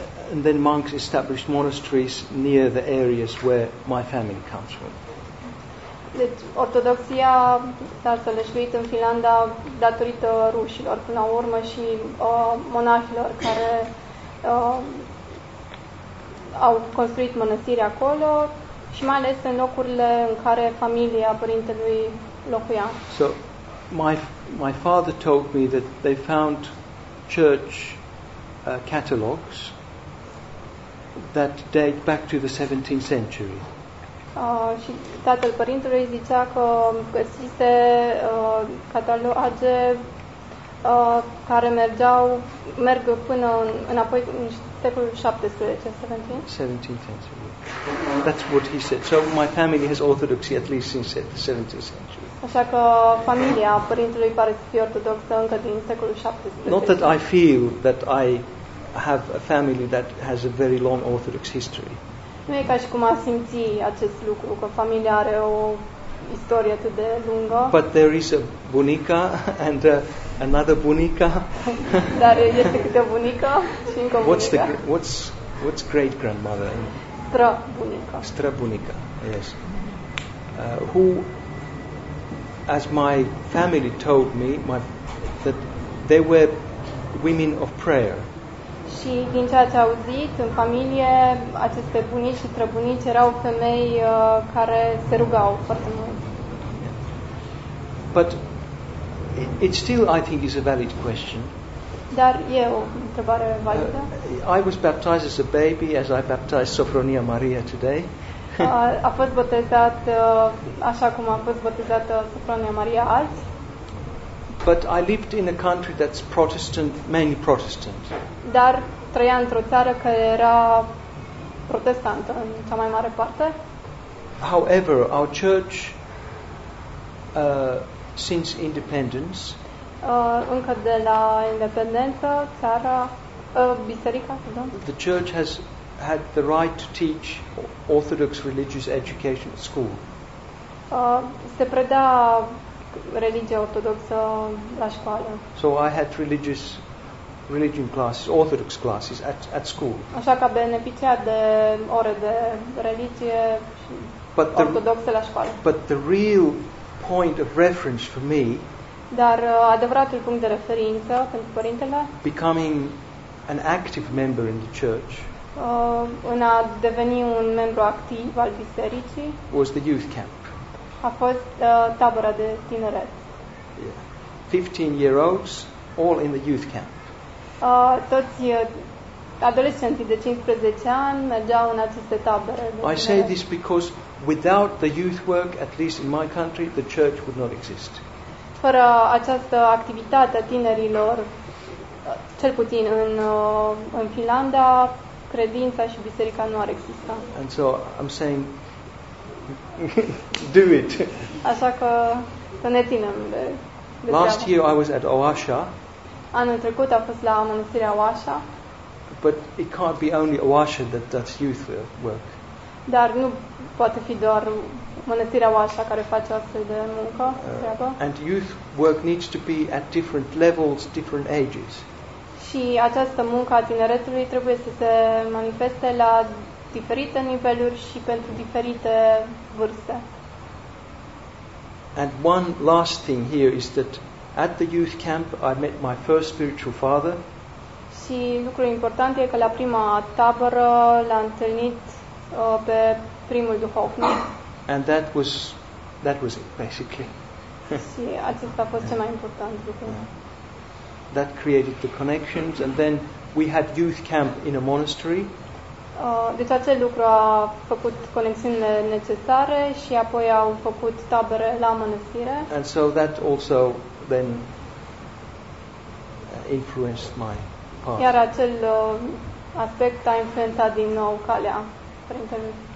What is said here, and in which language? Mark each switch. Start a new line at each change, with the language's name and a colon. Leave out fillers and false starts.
English: And then monks established monasteries near the areas where my family comes from.
Romanian: Deci, ortodoxia s-a sălășuit în Finlanda datorită rușilor, până la urmă, și monahilor care au construit mănăstiri acolo și mai ales în locurile în care familia părintelui locuia.
English: So, my father told me that they found church catalogs that date back to the 17th century.
Romanian: Și tatăl părintelui zicea că găsise cataloage care merg până înapoi în secolul
English: 17th century. That's what he said. So my family has orthodoxy at least since the 17th century.
Romanian: Așa că familia părintelui pare să fie ortodoxă încă din secolul 17.
English: Not that I feel that I have a family that has a very long orthodox history.
Romanian: Nu e ca și cum a simți acest lucru, că familia are o istorie atât de lungă.
English: But there is a bunica and another bunica.
Romanian: Dar este câte o bunică și încă o bunică.
English: What's great grandmother?
Romanian: Străbunica. Străbunica, yes.
English: Who, as my family told me, that they were women of prayer.
Romanian: Și din ceea ce au auzit în familie, aceste bunici și străbunici erau femei care se rugau foarte mult.
English: But it still, I think, is a valid question.
Romanian: Dar e o întrebare validă.
English: I was baptized as a baby, as I baptized Sofronia Maria today.
Romanian: A fost botezat așa cum a fost botezată Sofronia Maria azi.
English: But I lived in a country that's Protestant, mainly Protestant.
Romanian: Dar trăia într-o țară care era protestantă în cea mai mare parte.
English: However, our church since independence,
Romanian: încă de la independență, țara, biserica,
English: the church has had the right to teach orthodox religious education at school.
Romanian: Se preda religia ortodoxă la școală.
English: So I had religion classes, orthodox classes at school.
Romanian: Așa că beneficia de ore de religie și ortodoxe la școală.
English: But the real point of reference for me,
Romanian: dar adevăratul punct de referință pentru părintele,
English: becoming an active member in the church,
Romanian: în a deveni un membru activ al bisericii,
English: was the youth camp.
Romanian: A fost tabăra de tineret.
English: Yeah. 15-year-olds, all in the youth camp.
Romanian: Toți adolescenții de 15 ani mergeau în aceste tabere.
English: I say this because without the youth work, at least in my country, the church would not exist.
Romanian: Fără această activitate a tinerilor, cel puțin în Finlanda, credința și biserica nu ar exista.
English: And so I'm saying do it.
Romanian: Așa că să ne ținem de
English: Last year I was at Oasha.
Romanian: Anul trecut a fost la mănăstirea Oasha.
English: But it can't be only Oasha that youth work.
Romanian: Dar nu poate fi doar mănăstirea Oasha care face astfel de muncă, treabă.
English: And youth work needs to be at different levels, different ages.
Romanian: Și această muncă a tineretului trebuie să se manifeste la diferite niveluri și pentru diferite vârste.
English: And one last thing here is that at the youth camp I met my first spiritual father.
Romanian: Și lucru important e că la prima tabără l-am întâlnit pe primul duhovnic.
English: And that was it basically.
Romanian: Și acesta a fost cel mai important lucru.
English: That created the connections, and then we had youth camp in a monastery.
Romanian: Deci acest lucru a făcut conexiunile necesare și apoi au făcut tabere la mănăstire.
English: And so that also then influenced my path.
Romanian: Iar acel aspect a influențat din nou calea părintelui.